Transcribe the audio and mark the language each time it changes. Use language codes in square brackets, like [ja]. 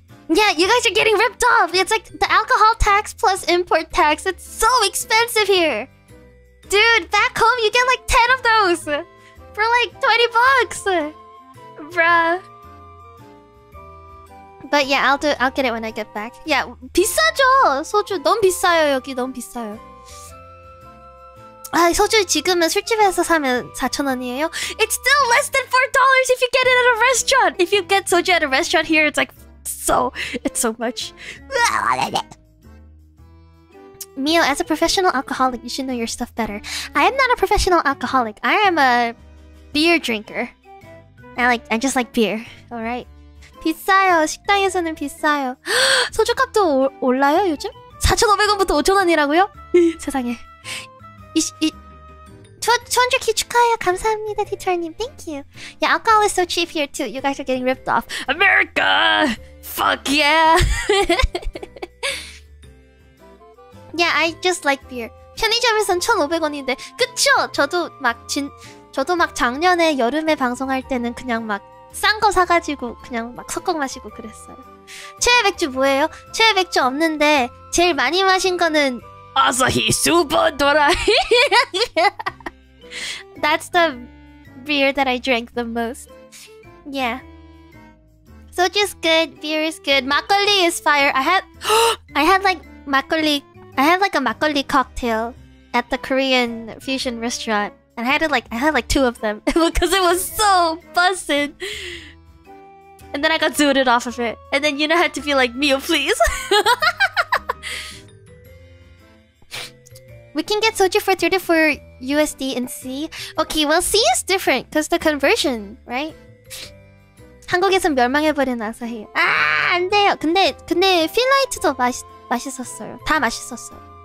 [en] Yeah, you guys are getting ripped off! It's like the alcohol tax plus import tax. It's so expensive here! Dude, back home you get like 10 of those! For like 20 bucks! Bruh. But yeah, I'll get it when I get back. [ko] Yeah, 비싸죠! 소주 너무 비싸요, 여기 너무 비싸요. 아, 소주 지금은 술집에서 사면 4,000 원이에요. [en] It's still less than $4 if you get it at a restaurant! If you get soju at a restaurant here, it's like... It's so much. Mio, as a professional alcoholic, you should know your stuff better. I am not a professional alcoholic. I am a... beer drinker. I just like beer. Alright. [ko] 비싸요. 식당에서는 비싸요. 소주 값도 올라요, 요즘? 4,500원부터 5,000원이라고요? 세상에. 200K 축하해요. 감사합니다, 티처님. [en] Thank you. Yeah, alcohol is so cheap here too. You guys are getting ripped off. America! Fuck yeah! Yeah, I just like beer. [ko] 편의점에선 1,500원인데. 그쵸? 저도 막 작년에 여름에 방송할 때는 그냥 막 싼 거 사가지고 그냥 막 섞어 마시고 그랬어요. 최애 맥주 뭐예요? 최애 맥주 없는데 제일 많이 마신 거는 아사히 슈퍼 드라이. [en] That's the beer that I drank the most. Yeah. Soju is good, beer is good, makgeolli is fire. I had like a makgeolli cocktail at the Korean fusion restaurant. And I had like two of them because it was so busted. And then I got zooted off of it. And then Yuna had to be like, Mio, please. We can get soju for 34 USD in C. Okay, well, C is different because the conversion, right? [ko] 한국에선 멸망해버린 아사히. 아, 안 돼요. 근데 필라이트도 맛있었어요. 다 맛있었어요.